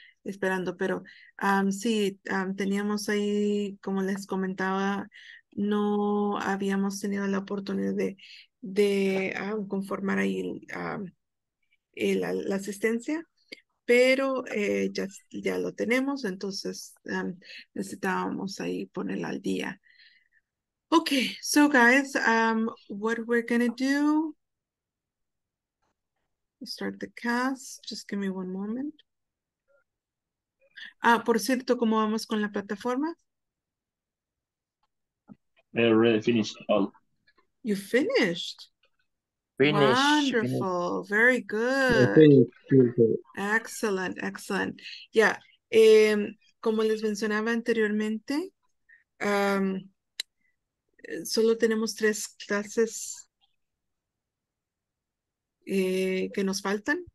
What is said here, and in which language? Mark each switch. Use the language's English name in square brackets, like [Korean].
[Spanish] esperando, pero sí, teníamos ahí, como les comentaba, no habíamos tenido la oportunidad de conformar ahí la asistencia, pero ya lo tenemos, entonces necesitábamos ahí ponerla al día. [English] Okay, so guys, what we're gonna do, start the cast, just give me one moment. [Spanish] Ah, por cierto, ¿cómo vamos con la plataforma? [English] I already finished all. You finished? Finished. Wonderful, finished. Very good. Finished. Excellent, excellent. [Spanish] Yeah, como les mencionaba anteriormente, solo tenemos tres clases que nos faltan.